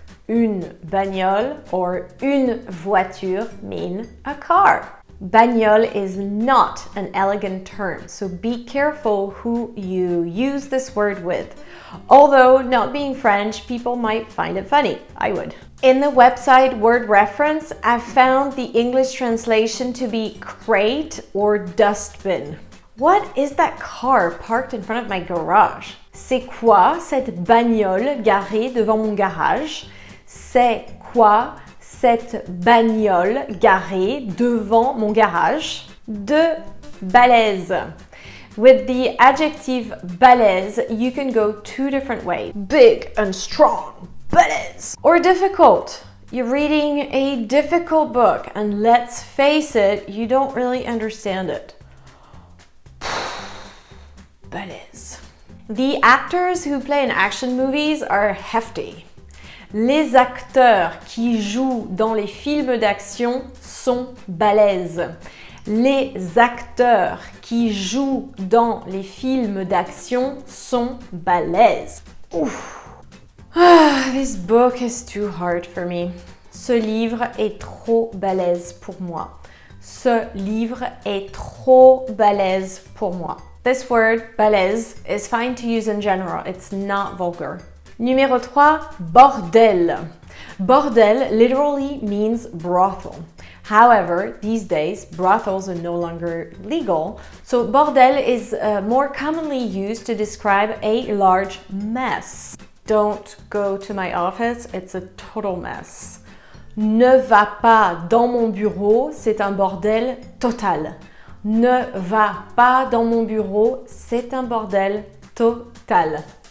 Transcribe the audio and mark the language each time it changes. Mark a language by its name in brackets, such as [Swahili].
[English] Une bagnole or une voiture mean a car. Bagnole is not an elegant term, so be careful who you use this word with. Although, not being French, people might find it funny. I would. In the website Word Reference, I found the English translation to be crate or dustbin. What is that car parked in front of my garage? [French] C'est quoi cette bagnole garée devant mon garage? C'est quoi cette bagnole garée devant mon garage? De balèze. [English] With the adjective balèze, you can go 2 different ways. Big and strong, balèze. Or difficult. You're reading a difficult book and let's face it, you don't really understand it. Balèze. The actors who play in action movies are hefty. [French] Les acteurs qui jouent dans les films d'action sont balèzes. Les acteurs qui jouent dans les films d'action sont balèzes. Ouf. [English] Ah, this book is too hard for me. [French] Ce livre est trop balèze pour moi. Ce livre est trop balèze pour moi. [English] This word, balèze, is fine to use in general. It's not vulgar. Numéro 3, bordel. Bordel literally means brothel. However, these days, brothels are no longer legal, so bordel is more commonly used to describe a large mess. Don't go to my office, it's a total mess. [French] Ne va pas dans mon bureau, c'est un bordel total. Ne va pas dans mon bureau, c'est un bordel total.